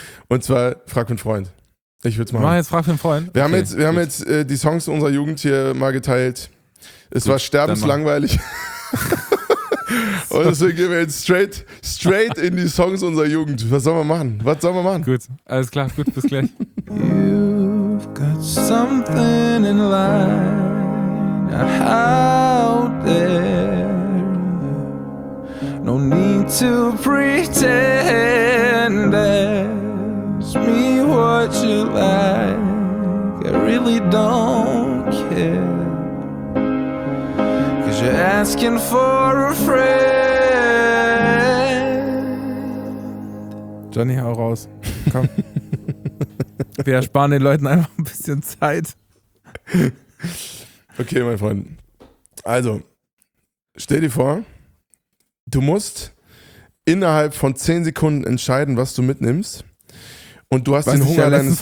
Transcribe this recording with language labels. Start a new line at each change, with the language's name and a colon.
German: Und zwar Frag für einen Freund. Ich würde es machen. Mach jetzt Frag für einen Freund. Wir haben jetzt die Songs unserer Jugend hier mal geteilt. Es war sterbenslangweilig. Und deswegen gehen wir jetzt straight in die Songs unserer Jugend. Was sollen wir machen? Gut, alles klar, gut, bis gleich.
English: You've got something in line out there. No need to pretend. Ask me what you like. I really don't care. You're asking for a friend.
German: Johnny, hau raus. Komm. Wir ersparen den Leuten einfach ein bisschen Zeit. Okay, mein Freund. Also, stell dir vor, du musst innerhalb von 10 Sekunden entscheiden, was du mitnimmst. Und du hast den Hunger deines Lebens.